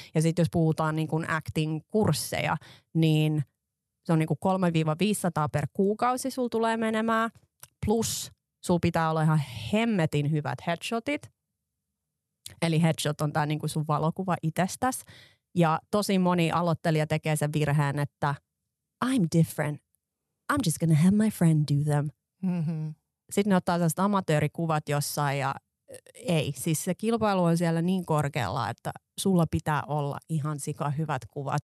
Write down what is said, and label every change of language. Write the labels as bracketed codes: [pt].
[fi] Ja sit jos puhutaan niinku acting-kursseja, niin se on niinku 300-500 per kuukausi sul tulee menemään. Plus sul pitää olla ihan hemmetin hyvät headshotit. Eli headshot on tää niinku sun valokuva itsestäs. Ja tosi moni aloittelija tekee sen virheen, että [en] I'm different. I'm just gonna have my friend do them. Mm-hmm. [fi] Sitten ne ottaa sellaiset amatöörikuvat jossain ja ei. Siis se kilpailu on siellä niin korkealla, että sulla pitää olla ihan sika hyvät kuvat.